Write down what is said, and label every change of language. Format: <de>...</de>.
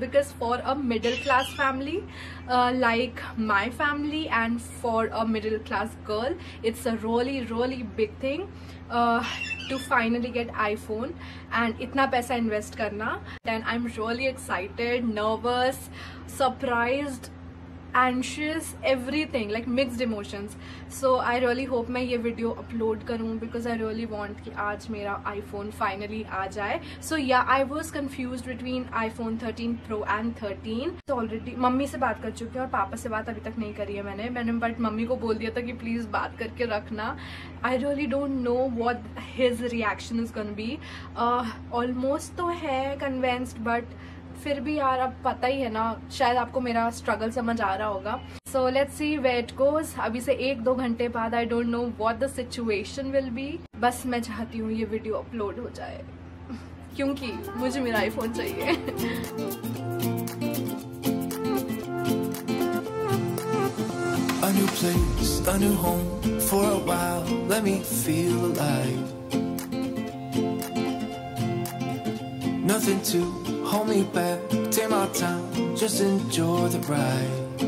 <en>because for a middle class family like my family and for a middle class girl, it's a really really big thing to finally get iPhone and</en> <hi>इतना पैसा invest करना.</hi> <en>Then I am really excited, nervous, surprise, anxious, everything, like mixed emotions. So I really hope</en> <hi>मैं ये</hi> <en>video upload</en> <hi>करूँ</hi> <en>because I really want</en> <hi>कि आज मेरा</hi> <en>iPhone finally</en> <hi>आ जाए.</hi> <en>So yeah, I was confused between iPhone 13 Pro and 13. So already</en> <hi>mummy से बात कर चुकी हूँ और पापा से बात अभी तक नहीं करी है मैंने. बट मम्मी को बोल दिया था कि</hi> <en>please</en> <hi>बात करके रखना.</hi> <en>I really don't know what his reaction is gonna be. Almost</en> <hi>तो है</hi> <en>convinced but</en> <hi>फिर भी यार अब पता ही है ना, शायद आपको मेरा स्ट्रगल समझ आ रहा होगा.</hi> <en>So let's see where it goes.</en> <hi>अभी से एक दो घंटे बाद</hi> <en>I don't know what the situation will be.</en> <hi>बस मैं चाहती हूँ ये वीडियो अपलोड हो जाए क्योंकि मुझे मेरा आईफोन चाहिए.</hi> <en>A new place, a new home, for a while, let me feel alive. Nothing to hold me back, take my time, just enjoy the ride.</en>